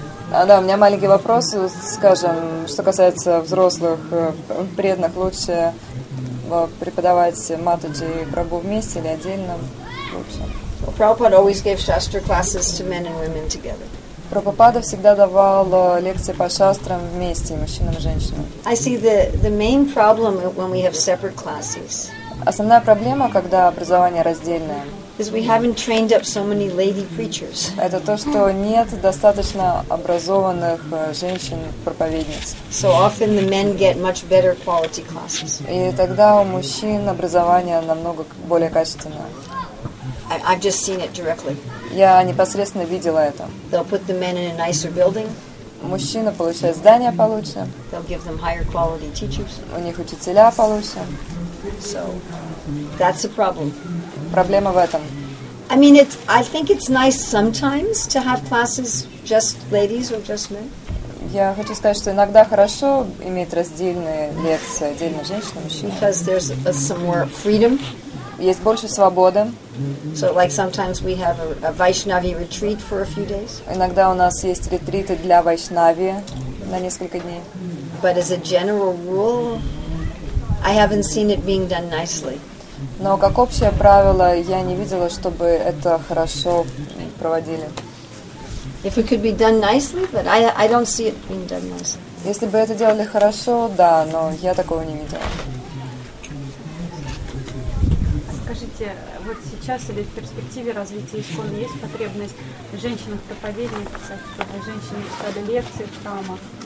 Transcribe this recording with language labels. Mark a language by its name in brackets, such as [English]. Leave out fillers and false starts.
[Russian] Да, у меня маленький вопрос, скажем, что касается взрослых преданных, лучше преподавать Матаджи и Прабу вместе или отдельно лучше? [English] Well, Prabhupada always gave shastra classes to men and women together. [Russian] Прабхупада всегда давал лекции по шастрам вместе, мужчинам и женщинам. [English] I see the main problem when we have separate classes. [Russian] Основная проблема, когда образование раздельное. [English] Is we haven't trained up so many lady preachers. [Russian] Это то, что нет достаточно образованных женщин-проповедниц. [English] So often the men get much better quality classes. [Russian] И тогда у мужчин образование намного более качественное. [English] I've just seen it directly. [Russian] Я непосредственно видела это. [English] They'll put the men in a nicer building. [Russian] Мужчина получает здание получше. [English] They'll give them higher quality teachers. [Russian] У них учителя получше. [English] So that's a problem. [Russian] Проблема в этом. [English] I mean, I think it's nice sometimes to have classes just ladies or just men. [Russian] Я хочу сказать, что иногда хорошо иметь раздельные лекции, отдельно женщин и мужчин. [English] Because there's some more freedom. [Russian] Есть больше свободы. [English] So, like sometimes we have a Vaishnavi retreat for a few days. [Russian] Иногда у нас есть ретриты для Вайшнави на несколько дней. [English] But as a general rule, I haven't seen it being done nicely. [Russian] Но как общее правило, я не видела, чтобы это хорошо проводили. [English] If it could be done nicely, but I don't see it being done nicely. [Russian] Если бы это делали хорошо, да, но я такого не видела. Скажите, вот сейчас или в перспективе развития ИСККОН есть потребность женщинам проповедоваться, чтобы женщины читали лекции в храмах?